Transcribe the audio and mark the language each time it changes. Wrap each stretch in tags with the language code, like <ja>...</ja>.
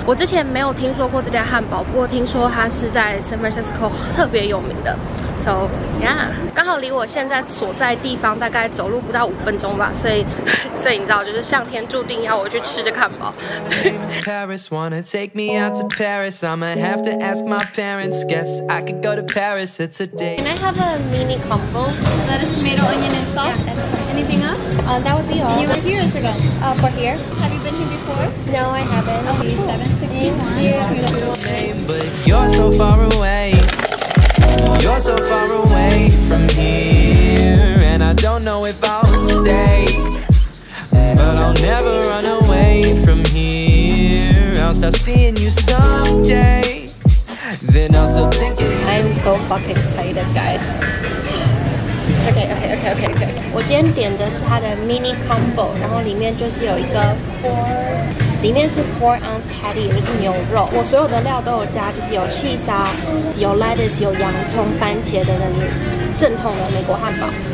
<zh>我之前没有听说过这家汉堡，不过听说它是在 San Francisco 特别有名的。 So yeah， 刚好离我现在所在地方大概走路不到五分钟吧，所以你知道，就是上天注定要我去吃这汉堡。</zh> <en>Paris, wanna take me out to Paris? I'ma have to ask my parents. Guess I could go to Paris. It's a day. Can I have a mini combo? Lettuce, tomato, onion, and sauce. Yeah, that's fine. Anything else? That would be all. You were here a second. For here. Have you been here before? No, I haven't. Okay, 761. Thank you. Beautiful name, but you're so far away. You're so far away from here, and I don't know if I'll stay. But I'll never run away from here. I'll stop seeing you someday. Then I'll still think of you. I'm so fucking excited, guys.</en> <zh>Okay. 我今天点的是它的 mini combo， 然后里面就是有一个 里面是 4 ounce patty， 就是牛肉。我所有的料都有加，就是有 cheese 啊，有 lettuce， 有洋葱、番茄的那种正统的美国汉堡。</zh>